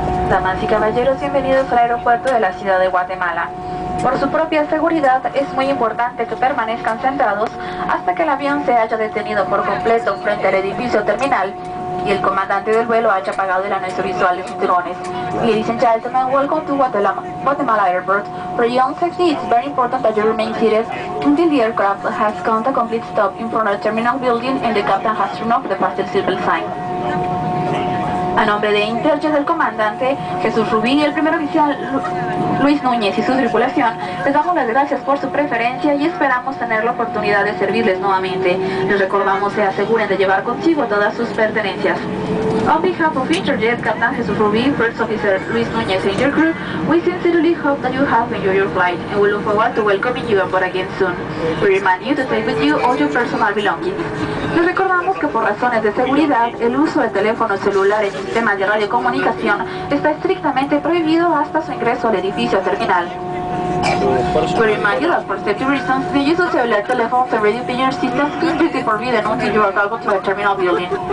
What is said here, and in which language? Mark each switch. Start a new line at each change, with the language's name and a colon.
Spanish: Damas y caballeros, bienvenidos al aeropuerto de la ciudad de Guatemala. Por su propia seguridad, es muy importante que permanezcan sentados hasta que el avión se haya detenido por completo frente al edificio terminal y el comandante del vuelo haya apagado el anuncio visual de sus drones.
English: Ladies and gentlemen, welcome to Guatemala Airport. For young safety, it's very important that you remain seated until the aircraft has come to a complete stop in front of the terminal building and the captain has turned off the passenger civil sign.
Spanish: A nombre de Interjet, el comandante Jesús Rubí y el primer oficial Luis Núñez y su tripulación, les damos las gracias por su preferencia y esperamos tener la oportunidad de servirles nuevamente. Les recordamos que se aseguren de llevar consigo todas sus pertenencias.
English: On behalf of Interjet, Captain Jesús Rubí, First Officer Luis Núñez and your crew, we sincerely hope that you have enjoyed your flight and we look forward to welcoming you aboard again soon. We remind you to take with you all your personal belongings.
Spanish: Les recordamos que por razones de seguridad, el uso de teléfonos celulares y sistemas de radiocomunicación está estrictamente prohibido hasta su ingreso al edificio terminal.
English: We remind you that for safety reasons, the use of cellular telephones and radio pager systems is strictly forbidden until you are welcome to the terminal building.